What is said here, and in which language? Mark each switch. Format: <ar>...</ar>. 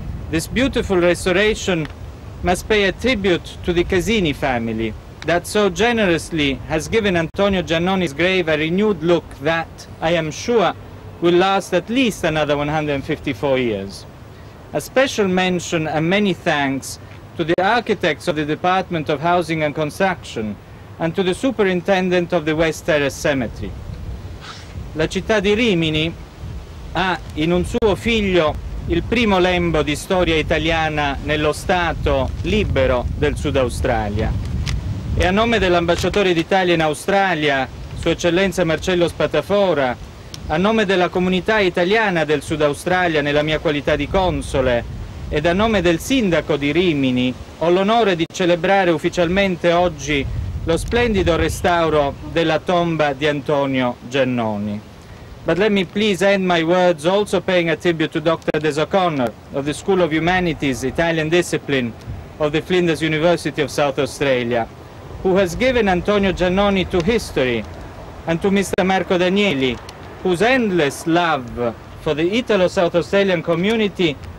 <en>This beautiful restoration must pay a tribute to the Casini family that so generously has given Antonio Giannoni's grave a renewed look that, I am sure, will last at least another 154 years. A special mention and many thanks to the architects of the Department of Housing and Construction and to the superintendent of the West Terrace Cemetery.</en> <it>La città di Rimini ha in un suo figlio il primo lembo di storia italiana nello Stato libero del Sud Australia. E a nome dell'ambasciatore d'Italia in Australia, Sua Eccellenza Marcello Spatafora, a nome della comunità italiana del Sud Australia nella mia qualità di console ed a nome del sindaco di Rimini, ho l'onore di celebrare ufficialmente oggi lo splendido restauro della tomba di Antonio Giannoni.</it> <en>But let me please end my words also paying a tribute to Dr. Des O'Connor of the School of Humanities, Italian Discipline of the Flinders University of South Australia, who has given Antonio Giannoni to history, and to Mr. Marco Danieli, whose endless love for the Italo-South Australian community</en>